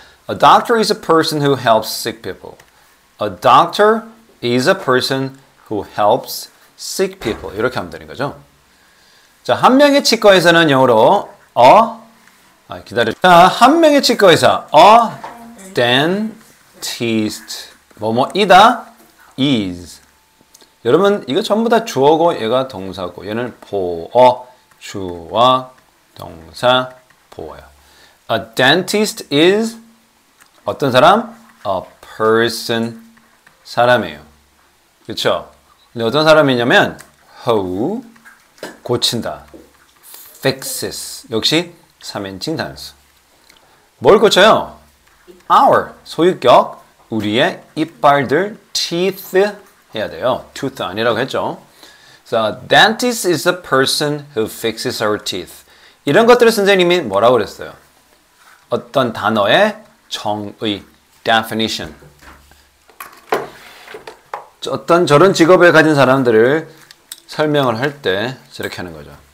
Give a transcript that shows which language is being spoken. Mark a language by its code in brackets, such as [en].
[en] A doctor is a person who helps sick people. A doctor is a person who helps sick people. [ko] 이렇게 하면 되는 거죠. 자, 한 명의 치과에서는 영어로 기다려. 자, 한 명의 치과에서 [en] a dentist [ko] 뭐뭐이다 is. 여러분 이거 전부 다 주어고 얘가 동사고 얘는 보어 주어 동사 보어요. [en] A dentist is [ko] 어떤 사람? [en] A person [ko] 사람이에요. 그렇죠? 근데 어떤 사람이냐면 who 고친다. fixes. 역시 3인칭 단수. 뭘 고쳐요? our. 소유격. 우리의 이빨들. teeth 해야 돼요. tooth 아니라고 했죠. [en] So, dentist is a person who fixes our teeth. [ko] 이런 것들을 선생님이 뭐라고 그랬어요? 어떤 단어의 정의. definition. 어떤 저런 직업을 가진 사람들을 설명을 할 때 저렇게 하는 거죠.